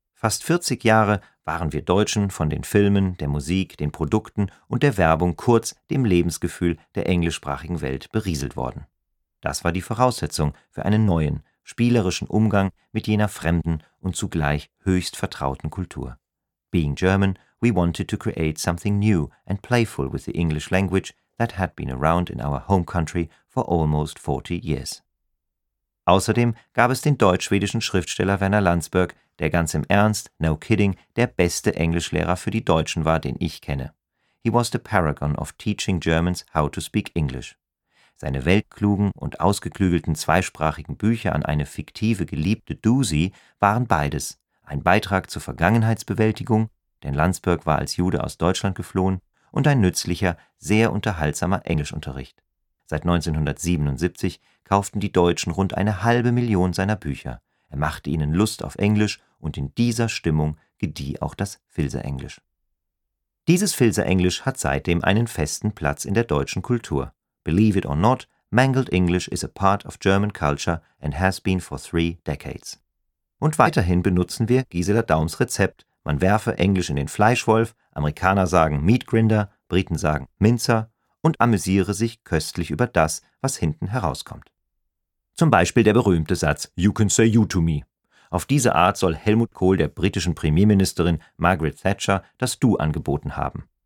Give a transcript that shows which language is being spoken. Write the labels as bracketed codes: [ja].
[de] Fast 40 Jahre waren wir Deutschen von den Filmen, der Musik, den Produkten und der Werbung, kurz dem Lebensgefühl der englischsprachigen Welt, berieselt worden. Das war die Voraussetzung für einen neuen, spielerischen Umgang mit jener fremden und zugleich höchst vertrauten Kultur. [en] Being German, we wanted to create something new and playful with the English language that had been around in our home country for almost 40 years. [de] Außerdem gab es den deutsch-schwedischen Schriftsteller Werner Landsberg, der ganz im Ernst, [en] no kidding, [de] der beste Englischlehrer für die Deutschen war, den ich kenne. [en] He was the paragon of teaching Germans how to speak English. [de] Seine weltklugen und ausgeklügelten zweisprachigen Bücher an eine fiktive Geliebte Dusi waren beides. Ein Beitrag zur Vergangenheitsbewältigung, denn Landsberg war als Jude aus Deutschland geflohen, und ein nützlicher, sehr unterhaltsamer Englischunterricht. Seit 1977 kauften die Deutschen rund eine halbe Million seiner Bücher. Er machte ihnen Lust auf Englisch, und in dieser Stimmung gedieh auch das Filzerenglisch. Dieses Filzerenglisch hat seitdem einen festen Platz in der deutschen Kultur. [en] Believe it or not, Mangled English is a part of German culture and has been for 3 decades. [de] Und weiterhin benutzen wir Gisela Daums Rezept, man werfe Englisch in den Fleischwolf, Amerikaner sagen Meat Grinder, Briten sagen Mincer, und amüsiere sich köstlich über das, was hinten herauskommt. Zum Beispiel der berühmte Satz » [en] You can say you to me«. [de] Auf diese Art soll Helmut Kohl der britischen Premierministerin Margaret Thatcher das »Du« angeboten haben.